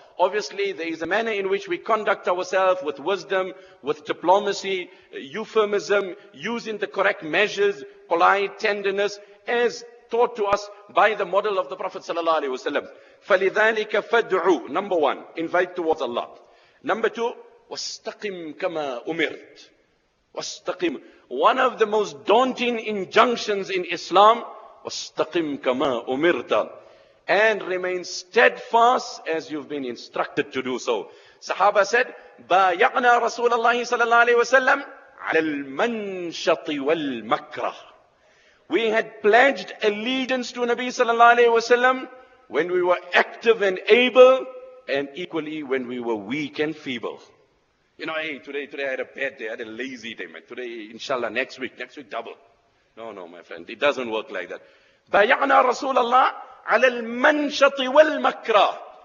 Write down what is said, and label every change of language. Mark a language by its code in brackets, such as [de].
[en] Obviously, there is a manner in which we conduct ourselves with wisdom, with diplomacy, euphemism, using the correct measures, polite tenderness, as taught to us by the model of the Prophet sallallahu alaihi wasallam. [ar] فَلِذَٰلِكَ فَادْعُوا. [en] Number one, invite towards Allah. Number two, [ar] وَاسْتَقِمْ كَمَا أُمِرْتْ. واستقيم. [en] One of the most daunting injunctions in Islam, [ar] واستقيم كما أمرت, [en] and remain steadfast as you've been instructed to do so. Sahaba said, [ar] بايعنا رسول الله صلى الله عليه وسلم على المنشط والمكره. [en] We had pledged allegiance to Nabi صلى الله عليه وسلم when we were active and able, and equally when we were weak and feeble. You know, hey, today I had a bad day, I had a lazy day, man. Today, inshallah, next week, double. No, my friend, it doesn't work like that. [ar] Bayana Rasulullah ala al-manshati wal-makra.